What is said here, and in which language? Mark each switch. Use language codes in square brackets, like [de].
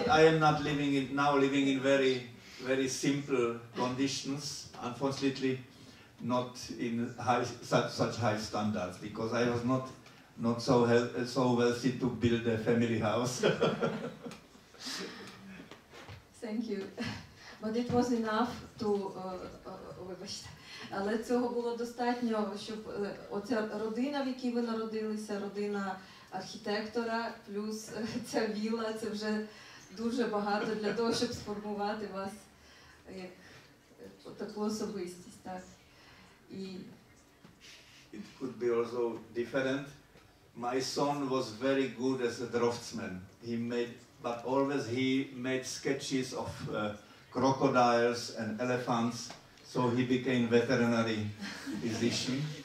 [en] But I am not living in very, very simple conditions, unfortunately. Not in such high standards, because I was not so so wealthy to build a family house. Thank you, but it was enough to. [uk] Вибачте. Але цього було достатньо, щоб оця родина, в якій ви народилися, родина архітектора плюс ця віла, це вже дуже багато для того, щоб сформувати вас як таку особистість, так? [en] It could be also different. My son was very good as a draftsman. He always made sketches of crocodiles and elephants, so he became veterinary physician.